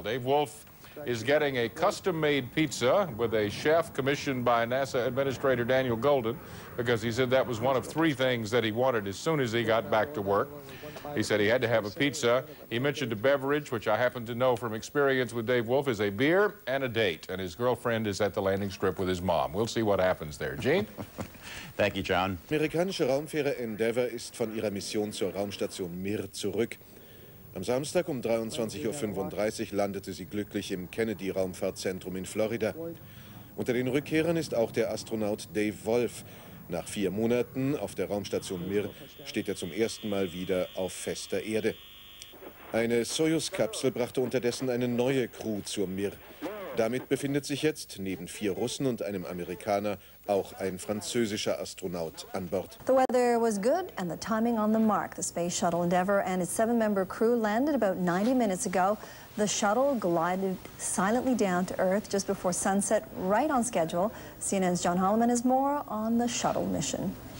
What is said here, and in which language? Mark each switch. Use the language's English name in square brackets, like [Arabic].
[English] Dave Wolf is getting a custom-made pizza with a chef commissioned by NASA Administrator Daniel Golden, because he said that was one of three things that he wanted as soon as he got back to work. He said he had to have a pizza. He mentioned a beverage, which I happen to know from experience with Dave Wolf, is a beer and a date. And his girlfriend is at the landing strip with his mom. We'll see what happens there. Gene? Thank you, John. [German] Amerikanische Raumfähre Endeavour ist von ihrer Mission zur Raumstation Mir zurück. Am Samstag um 23.35 Uhr landete sie glücklich im Kennedy-Raumfahrtzentrum in Florida. Unter den Rückkehrern ist auch der Astronaut Dave Wolf. Nach vier Monaten auf der Raumstation Mir steht er zum ersten Mal wieder auf fester Erde. Eine Soyuz-Kapsel brachte unterdessen eine neue Crew zur Mir. Damit befindet sich jetzt neben vier Russen und einem Amerikaner auch ein französischer Astronaut an Bord. [English] The weather was good and the timing on the mark. The Space Shuttle Endeavour and its seven-member crew landed about 90 minutes ago. The shuttle glided silently down to Earth just before sunset, right on schedule. CNN's John Holloman has more on the shuttle mission.